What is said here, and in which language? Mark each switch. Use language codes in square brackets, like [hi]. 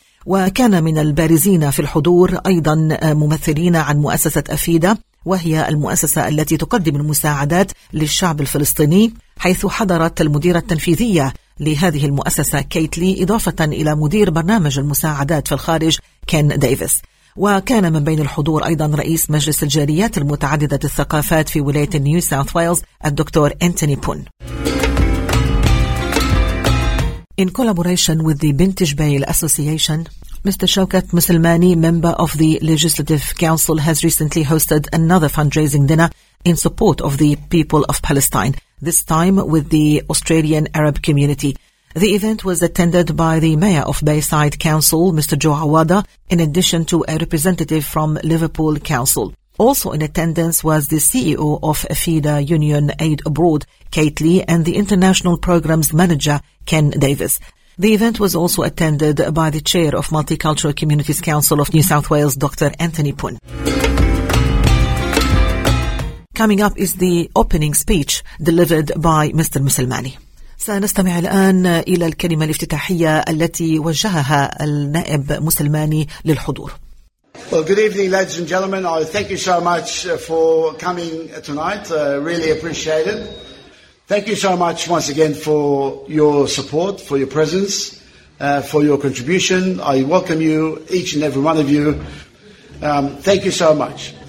[ar] وكان من البارزين في الحضور أيضا ممثلين عن مؤسسة أفيدة، وهي المؤسسة التي تقدم المساعدات للشعب الفلسطيني، حيث حضرت المديرة التنفيذية لهذه المؤسسة كيت لي، إضافة إلى مدير برنامج المساعدات في الخارج كين ديفيس. وكان من بين الحضور أيضا رئيس مجلس الجاليات المتعددة الثقافات في ولاية نيو ساوث ويلز الدكتور أنتوني بون. [en] In collaboration with the Bint Jbeil Association, Mr. Shawkat Musulmani, member of the Legislative Council, has recently hosted another fundraising dinner in support of the people of Palestine, this time with the Australian Arab community. The event was attended by the Mayor of Bayside Council, Mr. Joe Awada, in addition to a representative from Liverpool Council. Also in attendance was the CEO of AFIDA Union Aid Abroad, Kate Lee, and the International Programs Manager, Ken Davis. The event was also attended by the Chair of Multicultural Communities Council of New South Wales, Dr. Anthony Poon. Coming up is the opening speech delivered by Mr. Musulmani. [ar] سنستمع الآن إلى الكلمة الافتتاحية التي وجهها النائب مسلماني للحضور. [en] Well, good evening, ladies and gentlemen. I thank you so much for coming tonight. Really appreciate it. Thank you so much once again for your support, for your presence, for your contribution. I welcome you, each and every one of you. Thank you so much.